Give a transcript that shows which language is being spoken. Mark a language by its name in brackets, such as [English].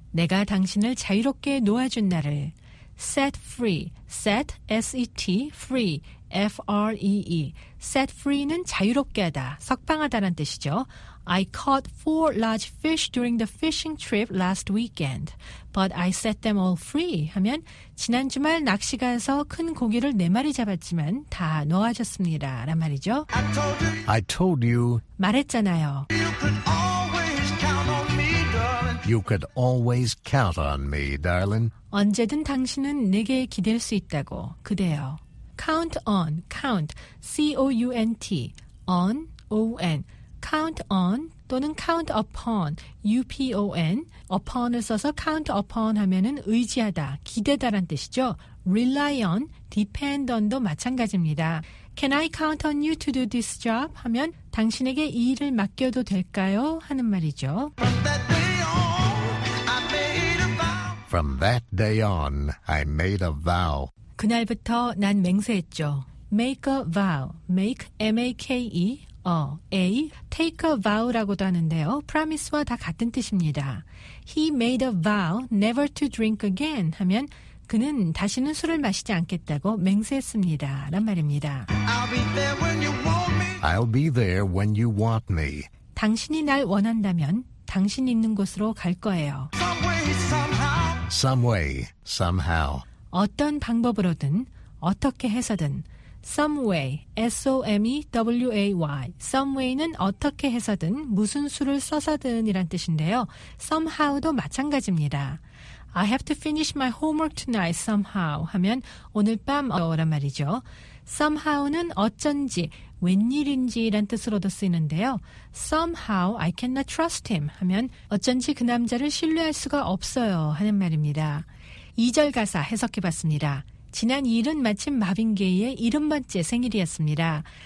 [Korean] 내가 당신을 자유롭게 놓아준 날을. [English] Set free. Set, S-E-T, free, F-R-E-E. [Korean] Set free는 자유롭게 하다, 석방하다란 뜻이죠. [English] I caught 4 large fish during the fishing trip last weekend. But I set them all free [Korean] 하면 지난 주말 낚시 가서 큰 고기를 4마리 잡았지만 다 놓아줬습니다. 라 말이죠. [English] I told you. [Korean] 말했잖아요. [English] You could always count on me, darling. You could always count on me, darling. [Korean] 언제든 당신은 내게 기댈 수 있다고. [English] 그대여. Count on. Count. C-O-U-N-T. On. O-N. Count on 또는 count upon, U-P-O-N. [Korean] Upon을 써서 count upon 하면은 의지하다, 기대다란 뜻이죠. [English] Rely on, depend on도 [Korean] 마찬가지입니다. [English] Can I count on you to do this job? [Korean] 하면 당신에게 이 일을 맡겨도 될까요? 하는 말이죠. [English] From that day on, I made a vow. From that day on, I made a vow. [Korean] 그날부터 난 맹세했죠. [English] Make a vow, make, M-A-K-E. [Korean] A, take a vow라고도 하는데요. promise와 다 같은 뜻입니다. [English] He made a vow never to drink again [Korean] 하면 그는 다시는 술을 마시지 않겠다고 맹세했습니다. 라는 말입니다. [English] I'll be there when you want me. I'll be there when you want me. [Korean] 당신이 날 원한다면 당신 있는 곳으로 갈 거예요. [English] Some way, somehow. Some way, somehow. [Korean] 어떤 방법으로든 어떻게 해서든 Some way, S-O-M-E-W-A-Y. Some way는 어떻게 해서든, 무슨 수를 써서든이란 뜻인데요. Somehow도 마찬가지입니다. [English] I have to finish my homework tonight somehow [Korean] 하면 오늘 밤 어란 말이죠. Somehow는 어쩐지, 웬일인지란 뜻으로도 쓰이는데요. [English] Somehow I cannot trust him [Korean] 하면 어쩐지 그 남자를 신뢰할 수가 없어요 하는 말입니다. 2절 가사 해석해봤습니다. 지난 2일은 마침 마빈 게이의 70번째 생일이었습니다.